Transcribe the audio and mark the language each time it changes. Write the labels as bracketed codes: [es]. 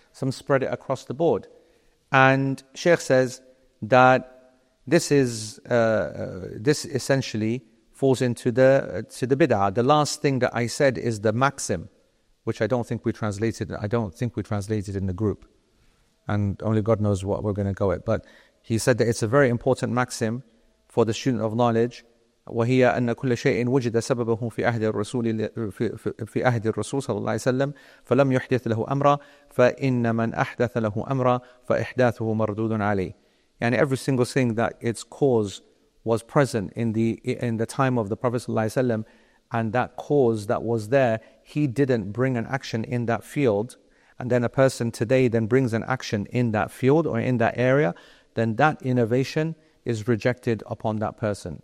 [en] Some spread it across the board. And Sheikh says that this is this essentially falls into the bid'ah. The last thing that I said is the maxim, which I don't think we translated. I don't think we translated in the group. And only God knows what we're going to go with. But he said that it's a very important maxim for the student of knowledge. [ar] وهي أن كل شيء وجد سببه في عهد الرسول في عهد الرسول صلى الله عليه وسلم فلم يحدث له أمرا فإن من أحدث له أمرا فإحداثه مردود عليه. [en] يعني every single thing that its cause was present in the time of the Prophet صلى الله عليه وسلم, and that cause that was there, he didn't bring an action in that field, and then a person today then brings an action in that field or in that area, then that innovation is rejected upon that person.